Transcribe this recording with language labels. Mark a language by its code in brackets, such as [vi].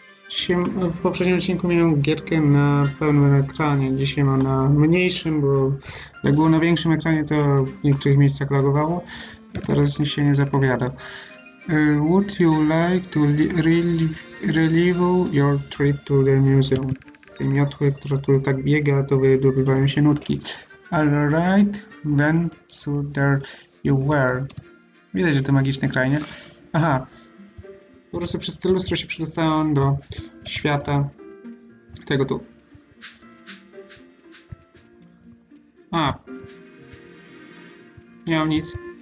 [pl] Dzisiaj, w poprzednim odcinku miałem gierkę na pełnym ekranie. Dzisiaj mam na mniejszym, bo jak było na większym ekranie, to w niektórych miejscach lagowało. Teraz nic się nie zapowiada. [en] Would you like to relive your trip to the museum? [pl] Z tej miotły, która tu tak biega, to wydobywają się nutki. [en] Alright, then, so there you were. [pl] Widać, że to magiczne krainy. Aha. Po prostu przez te lustro się przedostałem do świata tego tu. A. Nie mam nic.